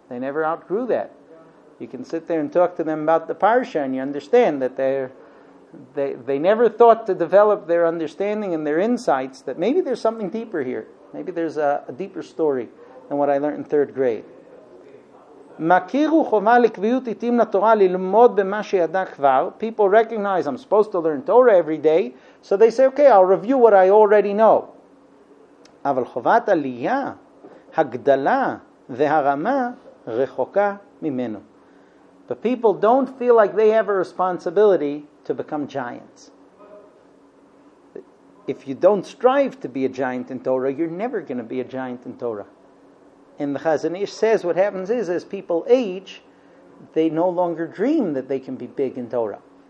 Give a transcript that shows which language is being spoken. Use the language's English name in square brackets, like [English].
[English] They never outgrew that. You can sit there and talk to them about the Parsha and you understand that they never thought to develop their understanding and their insights that maybe there's something deeper here. Maybe there's a deeper story than what I learned in third grade. [Hebrew] Makiru chova lekviut itim laTorah lilmod b'ma she'yada kvar. [English] People recognize I'm supposed to learn Torah every day. So they say, okay, I'll review what I already know. [Hebrew] אבל חובת עלייה, הגדלה והרמה רחוקה ממנו. [English] But people don't feel like they have a responsibility to become giants. If you don't strive to be a giant in Torah, you're never going to be a giant in Torah. And the Chazon Ish says what happens is, as people age, they no longer dream that they can be big in Torah.